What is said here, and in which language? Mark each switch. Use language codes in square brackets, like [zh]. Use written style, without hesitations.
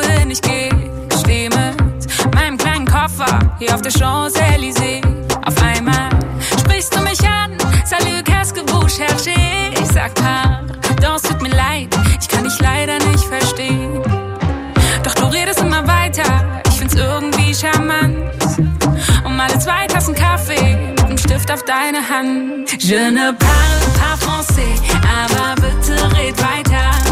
[de] ich geh, steh mit meinem kleinen Koffer hier auf der Champs-Élysées. Auf einmal sprichst du mich an, [fr] salut, qu'est-ce que vous cherchez? [de] Ich sag pardon, es tut mir leid, ich kann dich leider nicht verstehen. Doch du redest immer weiter, ich find's irgendwie charmant. Um alle zwei Tassen Kaffee mit einem Stift auf deine Hand. [fr] Je ne parle pas français, [de] aber bitte red weiter.